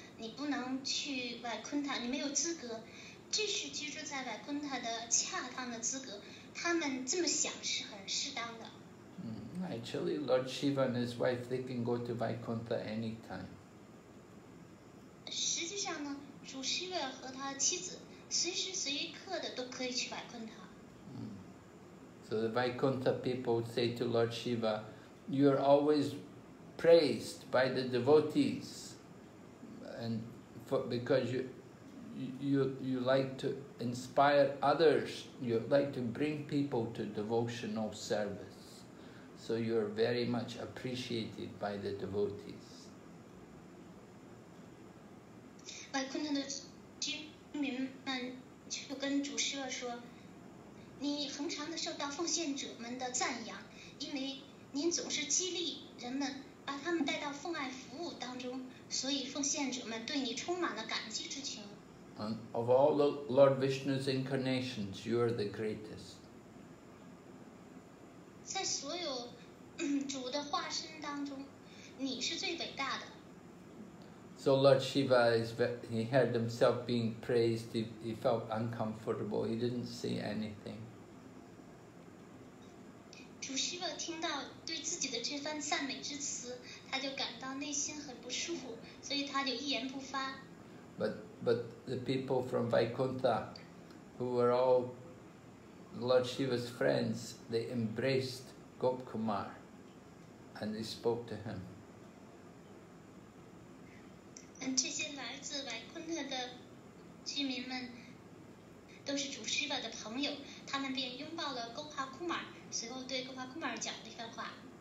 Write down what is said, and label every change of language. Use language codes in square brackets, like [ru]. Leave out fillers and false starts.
[zh] 你不能去外昆塔，你没有资格继续居住在外昆塔的恰当的资格。他们这么想是很适当的。 [en] Actually, Lord Shiva and his wife, they can go to Vaikuntha any time. [zh] 实际上呢，主 Shiva 和他的妻子随时随刻的都可以去 Vaikuntha。 [en] So the Vaikuntha people say to Lord Shiva, "You are always praised by the devotees, and because you like to inspire others, you like to bring people to devotional service." So you are very much appreciated by the devotees. [zh] Vaikuntha 的居民们就跟主师傅说：“你恒常的受到奉献者们的赞扬，因为您总是激励人们，把他们带到奉爱服务当中，所以奉献者们对你充满了感激之情。” [en] And of all the Lord Vishnu's incarnations, you are the greatest. [zh] 在所有主的化身当中，你是最伟大的。 [en] So Lord Shiva is, he heard himself being praised. He felt uncomfortable. He didn't say anything. [zh] 主 Shiva 听到对自己的这番赞美之词，他就感到内心很不舒服，所以他就一言不发。 [en] But the people from Vaikuntha, who were all Lord Shiva's friends, they embraced Gop Kumar and they spoke to him. And [zh] 这些来自 Vaikuntha 的居民们都是主 Shiva 的朋友，他们便拥抱了 Gopa Kumar， 随后对 Gopa Kumar 讲了一番话。